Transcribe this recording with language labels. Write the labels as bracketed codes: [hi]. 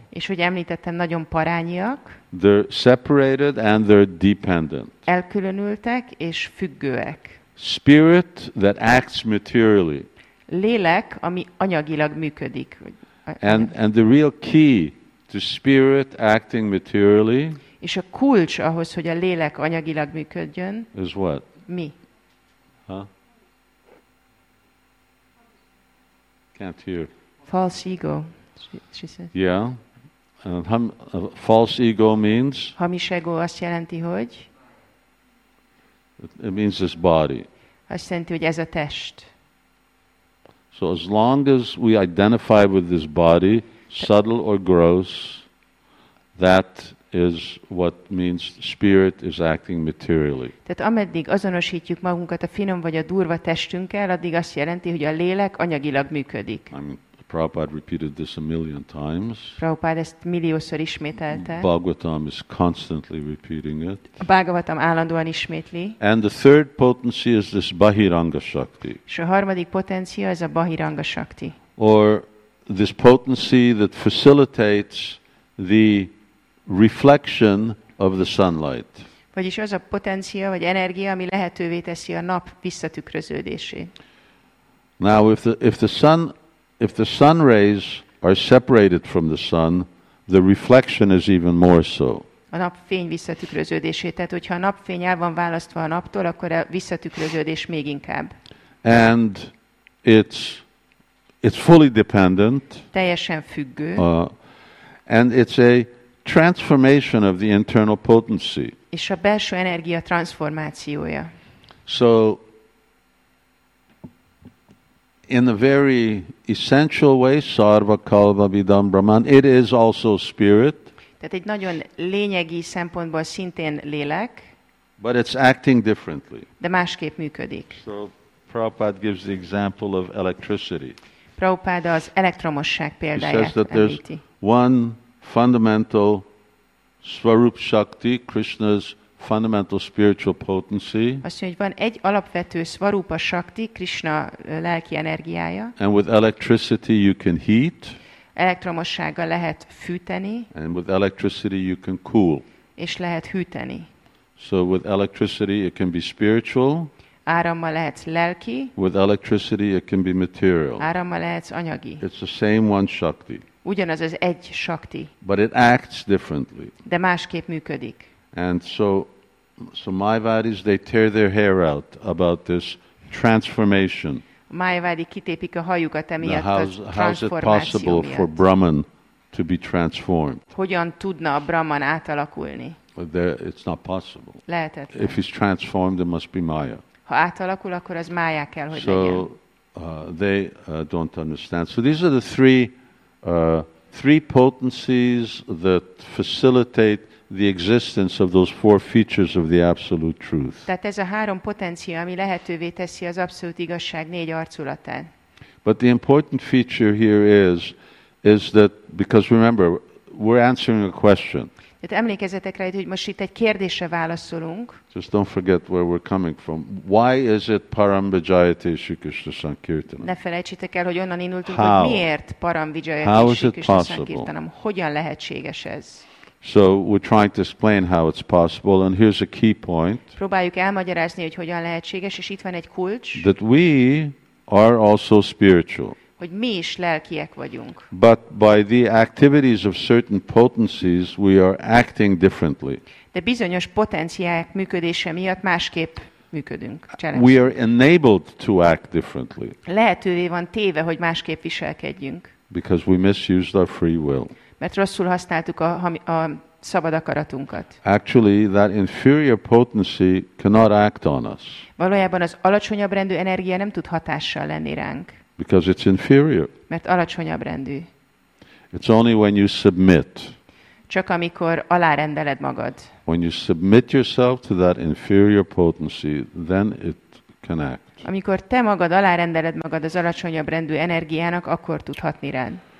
[hu] És hogy említettem, nagyon parányiak. [en] They're separated and they're dependent. [hu] Elkülönültek és függőek. [en] Spirit that acts materially. [hu] Lélek, ami anyagilag működik. [en] And the real key to spirit acting materially. [hu] És a kulcs ahhoz, hogy a lélek anyagilag működjön. [en] Is what? [hu] Mi? [en] Huh? Can't hear. False ego, she said. Yeah. And false ego means? [hu] Hamis ego azt jelenti, hogy? [en] It means this body. [hu] Azt jelenti, hogy ez a test. [en] So as long as we identify with this body, subtle or gross, that is what means spirit is acting materially. [hu] Tehát ameddig azonosítjuk magunkat a finom vagy a durva testünkkel, addig azt jelenti, hogy a lélek anyagilag működik. [en] I mean, Prabhupada repeated this a million times. [hu] Prabhupada ezt milliószor ismételte. [en] Bhagavatam is constantly repeating it. [hu] A Bhagavatam állandóan ismétli. [en] And the third potency is this Bahiranga Shakti. [hu] És a harmadik potencia ez a Bahiranga Shakti. [en] Or this potency that facilitates the reflection of the sunlight. [hu] Vagyis az a potencia vagy energia, ami lehetővé teszi a nap visszatükröződését. [en] Now if the sun rays are separated from the sun, the reflection is even more so. [hu] A nap fény visszatükröződését, tehát hogyha a napfény el van választva a naptól, akkor a visszatükröződés még inkább. [en] And it's fully dependent. [hu] Teljesen függő. [en] And it's a transformation of the internal potency. [hu] És a belső energia transformációja. [en] So in a very essential way [sa] sarva kalva vidam brahman, [en] it is also spirit. [hu] Tehát egy nagyon lényegi szempontból szintén lélek. [en] But it's acting differently. [hu] De másképp működik. [en] So Prabhupada gives the example of electricity. [hu] Prabhupada az elektromosság példáját említi. [en] He says that there's one fundamental Swarup Shakti, Krishna's fundamental spiritual potency. [hu] Azt mondja, hogy van egy alapvető svarupa shakti, Krishna lelki energiája. [en] And with electricity you can heat. [hu] Elektromossággal lehet fűteni. [en] And with electricity you can cool. [hu] És lehet hűteni. [en] So with electricity it can be spiritual. [hu] Árammal lehetsz lelki. [en] With electricity it can be material. [hu] Árammal lehetsz anyagi. [en] It's the same one shakti. [hu] Ugyanaz az egy shakti. [en] But it acts differently. [hu] De másképp működik. [en] And so Mayavadis, they tear their hair out about this transformation. [hu] Mayavadi kitépik a hajukat emiatt a transformáció miatt. [en] How is it possible for Brahman to be transformed? [hu] Hogyan tudna a Brahman átalakulni? [en] It's not possible. [hu] Lehetetlen. [en] If he's transformed, it must be Maya. [hu] Ha átalakul, akkor az Maya kell, hogy legyen. [en] So they don't understand. So these are the three potencies that facilitate the existence of those four features of the absolute truth. [hu] Tehát ez a három potencia, ami lehetővé teszi az abszolút igazság négy arculatát. [en] But the important feature here is that, because remember, we're answering a question. [hu] Tehát emlékezzetek rá, hogy most itt egy kérdésre válaszolunk. [en] Just don't forget where we're coming from. Why is it Param Vijayate Shri Krishna Sankirtanam? [hu] Ne felejtsétek el, hogy onnan indultunk, hogy miért Param Vijayate Shri Krishna Sankirtanam? Hogyan lehetséges ez? [en] So we're trying to explain how it's possible, and here's a key point. [hu] Próbáljuk elmagyarázni, hogy hogyan lehetséges, és itt van egy kulcs. [en] That we are also spiritual. [hu] Hogy mi is lelkiek vagyunk. [en] But by the activities of certain potencies, we are acting differently. [hu] De bizonyos potenciák működése miatt másképp működünk. [en] We are enabled to act differently. [hu] Lehetővé van téve, hogy másképp viselkedjünk. [en] Because we misused our free will. [hu] Mert rosszul használtuk a szabad akaratunkat. [en] Actually, that inferior potency cannot act on us. [hu] Valójában az alacsonyabb rendű energia nem tud hatással lenni ránk. [en] Because it's inferior. [hu] Mert alacsonyabb rendű. [en] It's only when you submit. [hu] Csak amikor alárendeled magad. [en] When you submit yourself to that inferior potency, then it can act. [hu] Amikor te magad alárendeled magad az alacsonyabb rendű energiának, akkor tud hatni rád.